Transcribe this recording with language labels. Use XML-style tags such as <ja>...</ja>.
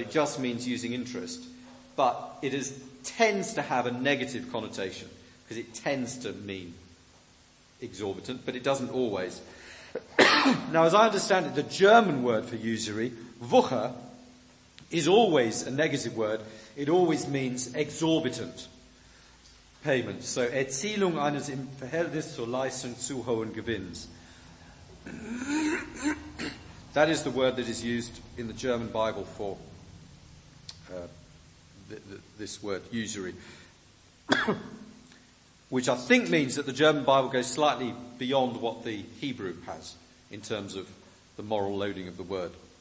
<en>It just means using interest. But it tends to have a negative connotation, because it tends to mean exorbitant, but it doesn't always. Now, as I understand it, the German word for usury, Wucher, is always a negative word. It always means exorbitant payment.</en> <de>So, Erzielung eines im Verhältnis zur Leistung zu hohen Gewinns.</de> <en>That is the word that is used in the German Bible for this word, usury. Which I think means that the German Bible goes slightly beyond what the Hebrew has in terms of the moral loading of the word.</en>